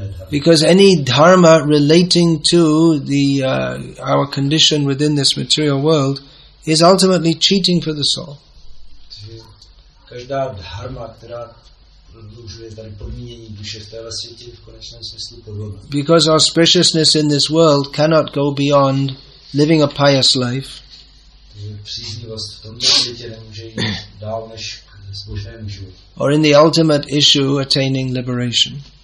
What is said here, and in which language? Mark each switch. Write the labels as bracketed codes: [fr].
[en] Because any dharma relating to the our condition within this material world is ultimately cheating for the soul. [cs] Každá dharma, která prodlužuje tady podmínění duše v téhle světě, v konečném smyslu podobná. [en] Because auspiciousness in this world cannot go beyond living a pious life. [cs] Příznivost v tomto světě nemůže jít dál než k zbožnému životu. [en] Or in the ultimate issue, attaining liberation.